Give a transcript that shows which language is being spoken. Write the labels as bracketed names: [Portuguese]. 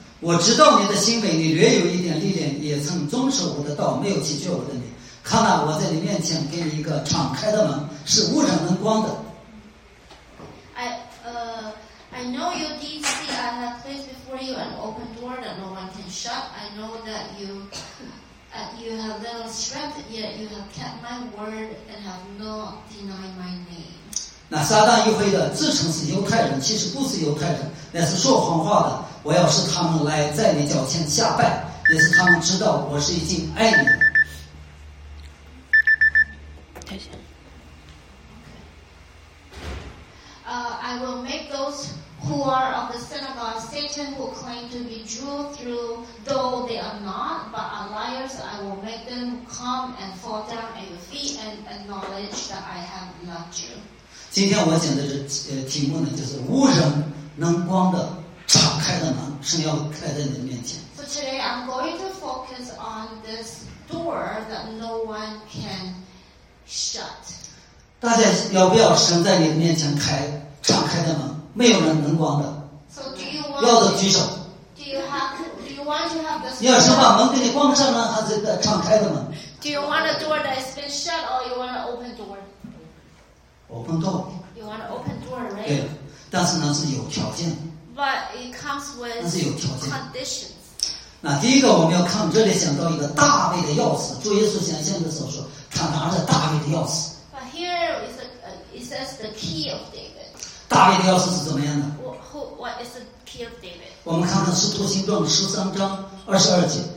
[Chinese] 我知道你的心扉，你略有一点历练，也曾遵守我的道，没有弃绝我的名。看哪，我在你面前给你一个敞开的门，是无人能关的。 [English] I know your deeds. I have placed before you an open door that no one can shut. I know that you have little strength, yet you have kept my word and have not denied my name. [Chinese] 那撒旦一回的自称是犹太人，其实不是犹太人，乃是说谎话的。我要使他们来在你脚前下拜，也使他们知道我是已经爱你的。 [English] I will make those who are of the synagogue Satan who claim to be Jew through though they are not but are liars, I will make them come and fall down at your feet and acknowledge that I have loved you. [Chinese] 今天我讲的这题目呢，就是无人能关的敞开的门，神要开在你的面前。 [English] So today I'm going to focus on this door that no one can shut. [Chinese] 大家要不要神在你的面前开敞开的门，没有人能关的。 [English] So do you want [Chinese] 要的举手。 [English] Do you want to have this [Chinese] 你要是把门给你关上呢，还是敞开的门？ [English] Do you want a door that has been shut or you want an open door? Open door. You want an open door, right? [Chinese] 对，但是呢是有条件。 [English] But it comes with conditions. [Chinese] 那第一个我们要看，这里想到一个大卫的钥匙。主耶稣显现的时候说，他拿着大卫的钥匙。 [English] But here it says the key of David. [Chinese] 大卫的钥匙是怎么样的？ [English] What is the key of David? [Chinese] 我们看看使徒行传十三章二十二节。